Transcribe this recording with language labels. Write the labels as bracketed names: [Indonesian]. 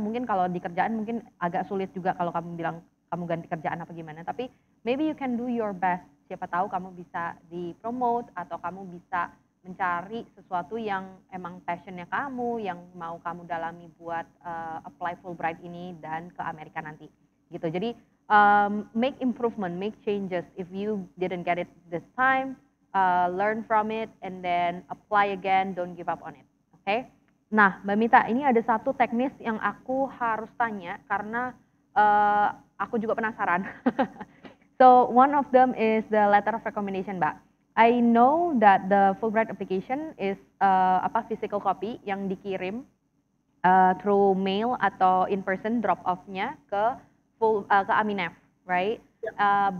[Indonesian] Mungkin kalau di kerjaan mungkin agak sulit juga kalau kamu bilang kamu ganti kerjaan apa gimana, tapi [English] maybe you can do your best, [Indonesian] siapa tahu kamu bisa di-promote atau kamu bisa mencari sesuatu yang emang passionnya kamu, yang mau kamu dalami buat apply Fulbright ini dan ke Amerika nanti gitu. [English] Jadi make improvement, make changes, if you didn't get it this time, learn from it and then apply again, don't give up on it, okay? [Indonesian] Nah Mbak Mita, ini ada satu teknis yang aku harus tanya karena aku juga penasaran. [English] So one of them is the letter of recommendation, Mbak. I know that the Fulbright application is physical copy [Indonesian] yang dikirim [English] through mail atau in person drop off-nya ke Aminef, right? Yeah.